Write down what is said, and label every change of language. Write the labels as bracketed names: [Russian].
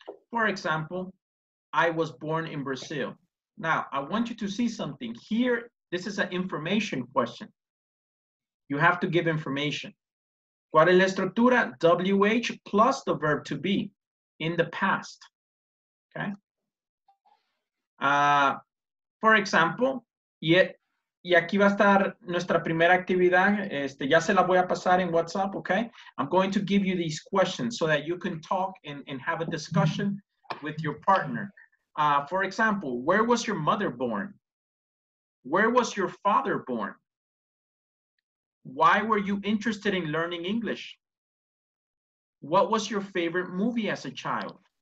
[English] For example, I was born in Brazil. Now, I want you to see something here. This is an information question. You have to give information. [Spanish] ¿Cuál es la estructura? [English] WH plus the verb to be in the past. Okay. For example, [Spanish] y aquí va a estar nuestra primera actividad. Ya se la voy a pasar en WhatsApp, okay? [English] I'm going to give you these questions so that you can talk and have a discussion with your partner. For example, where was your mother born? Where was your father born? Why were you interested in learning English? What was your favorite movie as a child?